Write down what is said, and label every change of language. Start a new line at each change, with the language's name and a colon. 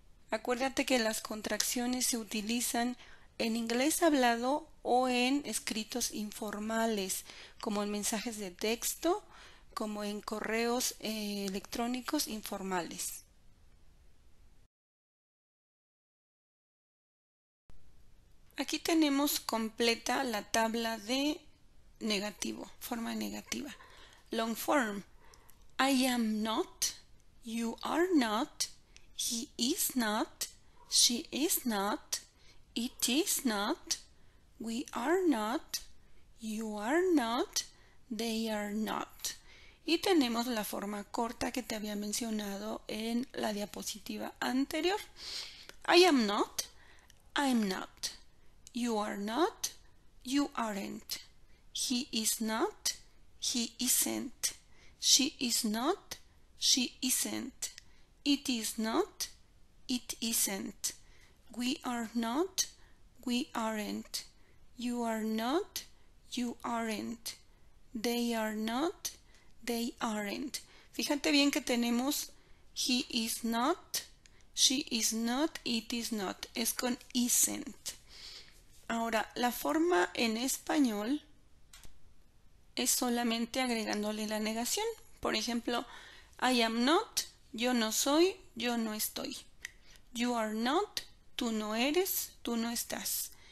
Spanish: Acuérdate que las contracciones se utilizan en inglés hablado o en escritos informales, como en mensajes de texto, como en correos electrónicos informales. Aquí tenemos completa la tabla de negativo, forma negativa.
English: Long form. I am not, you are not, he is not, She is not. It is not. We are not. You are not. They are not.
Spanish: Y tenemos la forma corta que te había mencionado en la diapositiva anterior.
English: I am not. I'm not. You are not. You aren't. He is not. He isn't. She is not. She isn't. It is not. It isn't. We are not. We aren't. You are not. You aren't. They are not. They aren't.
Spanish: Fíjate bien que tenemos
English: he is not, she is not,
Spanish: it is not. Es con isn't. Ahora, la forma en español es solamente agregándole la negación. Por ejemplo,
English: I am not,
Spanish: yo no soy, yo no estoy.
English: You are not,
Spanish: tú no eres, tú no estás.